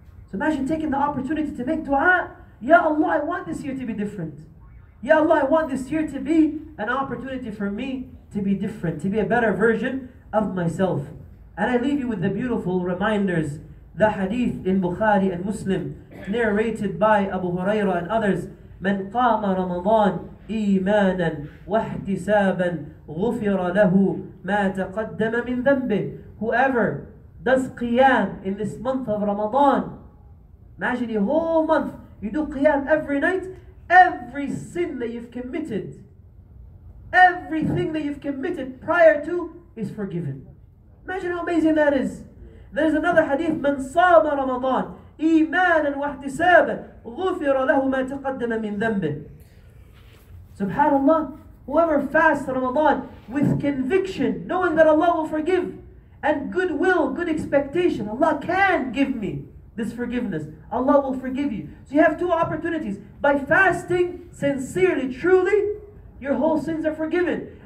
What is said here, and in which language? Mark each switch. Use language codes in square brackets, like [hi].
[en] So imagine taking the opportunity to make dua. Ya Allah, I want this year to be different. Ya Allah, I want this year to be an opportunity for me to be different, to be a better version of myself. And I leave you with the beautiful reminders, the hadith in Bukhari and Muslim, narrated by Abu Hurairah and others. [ar] من قام رمضان إيمانا واحتسابا غفر له ما تقدم من ذنبه. [en] Whoever does Qiyam in this month of Ramadan, imagine a whole month, you do Qiyam every night, every sin that you've committed, everything that you've committed prior to is forgiven. Imagine how amazing that is. There's another hadith, [ar] من صام رمضان إيمانا واحتسابا غفر له ما تقدم من ذنبه. [en] Subhanallah, whoever fasts Ramadan with conviction, knowing that Allah will forgive, and goodwill, good expectation, Allah can give me this forgiveness. Allah will forgive you. So you have two opportunities. By fasting sincerely, truly, your whole sins are forgiven.